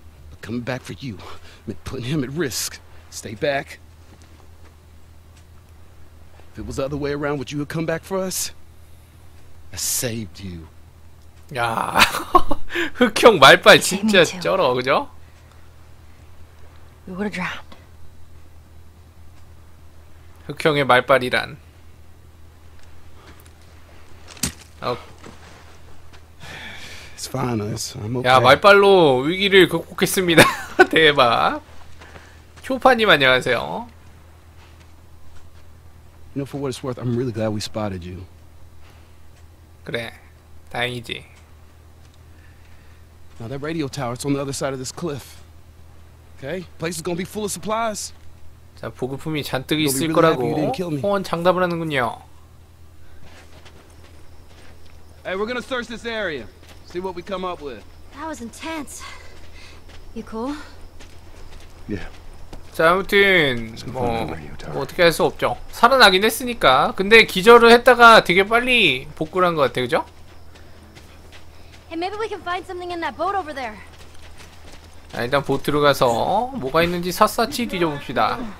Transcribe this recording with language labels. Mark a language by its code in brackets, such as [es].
[en] But coming back for you meant putting him at risk. Stay back. If it was the other way around, would you have come back for us? I saved you. [ko] 야, 흑형 말빨 진짜 쩔어, 그죠? [en] We would have drowned. [ko] 흑형의 말빨이란. [en] It's fine, I'm okay. [ko] 야, 말빨로 위기를 극복했습니다. 대박. 초파님 안녕하세요. [en] You know, for what it's worth, I'm really glad we spotted you. [ko] 그래, 다행이지. [en] Now that radio tower, it's on the other side of this cliff. Okay? Place is gonna be full of supplies. [ko] 자, 보급품이 잔뜩 있을 거라고 호원 장담을 하는군요. [en] Hey, we're gonna search this area. See what we come up with. That was intense. You cool? Yeah. [ko] 자, 아무튼 뭐 어떻게 할 수 없죠. 살아나긴 했으니까. 근데 기절을 했다가 되게 빨리 복구를 한 것 같아, 그죠? [en] Hey, maybe we can find something in that boat over there. [ko] 자, 일단 보트로 가서 뭐가 있는지 샅샅이 뒤져봅시다.